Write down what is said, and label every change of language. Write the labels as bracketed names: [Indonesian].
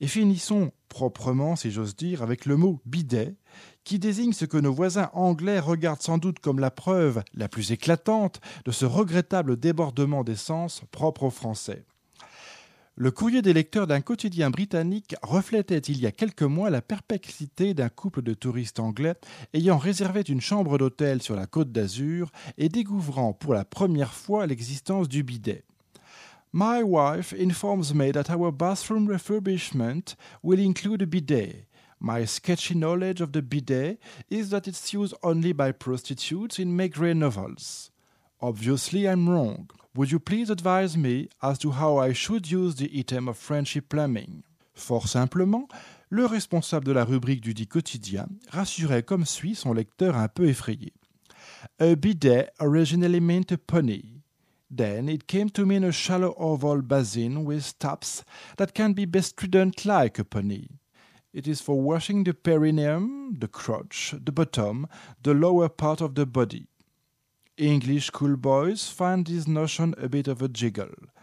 [French] Et finissons proprement, si j'ose dire, avec le mot « bidet », qui désigne ce que nos voisins anglais regardent sans doute comme la preuve la plus éclatante de ce regrettable débordement des sens propre aux Français. Le courrier des lecteurs d'un quotidien britannique reflétait il y a quelques mois la perplexité d'un couple de touristes anglais ayant réservé une chambre d'hôtel sur la Côte d'Azur et découvrant pour la première fois l'existence du bidet. [English] « My wife informs me that our bathroom refurbishment will include a bidet. My sketchy knowledge of the bidet is that it's used only by prostitutes in Maigret novels. Obviously, I'm wrong. Would you please advise me as to how I should use the item of Frenchy plumbing ?» [French] Fort simplement, le responsable de la rubrique du dit quotidien rassurait comme suit son lecteur un peu effrayé. [English] « A bidet originally meant a pony. Then it came to mean a shallow oval basin with taps that can be bestrident like a pony. It is for washing the perineum, the crotch, the bottom, the lower part of the body. English schoolboys find this notion a bit of a jiggle.